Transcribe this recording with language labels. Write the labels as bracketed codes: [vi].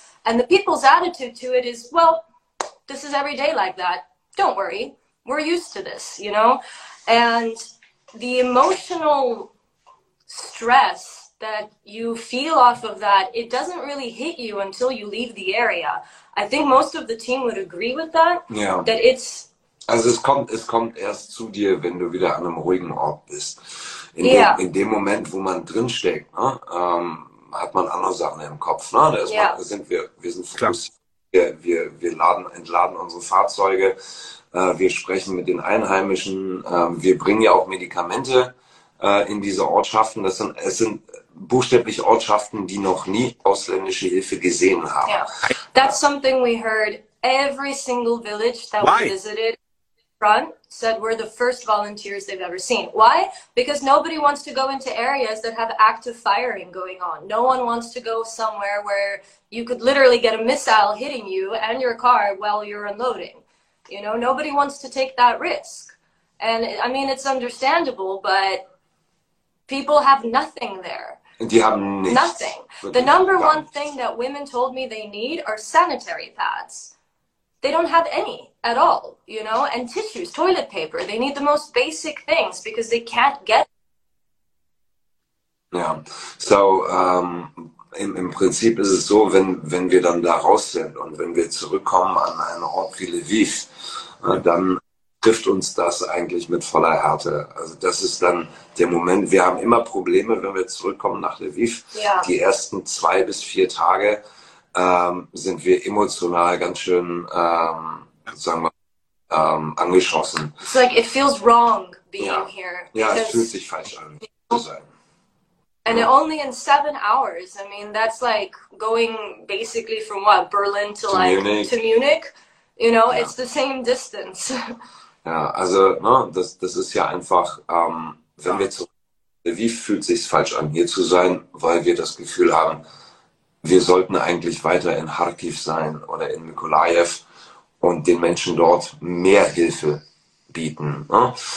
[en] And the people's attitude to it is, well, this is every day like that. Don't worry, we're used to this, you know? And the emotional stress that you feel off of that, it doesn't really hit you until you leave the area. I think most of the team would agree with that. Yeah. That it's, [de] also es kommt erst zu dir, wenn du wieder an einem ruhigen Ort bist. In dem Moment, wo man drinsteckt, ne, hat man andere Sachen im Kopf. Ne? Wir sind fokussiert, wir entladen unsere Fahrzeuge. Wir sprechen mit den Einheimischen, wir bringen ja auch Medikamente in diese Ortschaften. Es sind buchstäblich Ortschaften, die noch nie ausländische Hilfe gesehen haben. [en] Yeah. That's something we heard. Every single village that we visited front said we're the first volunteers they've ever seen. Why? Because nobody wants to go into areas that have active firing going on. No one wants to go somewhere where you could literally get a missile hitting you and your car while you're unloading. You know, nobody wants to take that risk. And I mean, it's understandable, but people have nothing there. [de] Die haben nichts. [en] Nothing. The number one thing that women told me they need are sanitary pads. They don't have any at all, you know, and tissues, toilet paper. They need the most basic things because they can't get. Yeah. [de] So, im Prinzip ist es so, wenn wir dann da raus sind und wenn wir zurückkommen an einen Ort wie Lviv, dann trifft uns das eigentlich mit voller Härte. Also das ist dann der Moment. Wir haben immer Probleme, wenn wir zurückkommen nach Lviv. Ja. Die ersten 2 bis 4 Tage sind wir emotional ganz schön, sagen wir, angeschossen. [en] It's like it feels wrong being here. [de] Ja, es fühlt sich falsch an zu sein. [en] And only in 7 hours. I mean, that's like going basically from what, Berlin to like Munich. To Munich. You know, it's the same distance. [de] Ja, also ne, das ist ja einfach, wenn wir zurück. Wie fühlt sich's falsch an, hier zu sein, weil wir das Gefühl haben, wir sollten eigentlich weiter in Kharkiv sein oder in Mykolaiv und den Menschen dort mehr Hilfe bieten. Ne?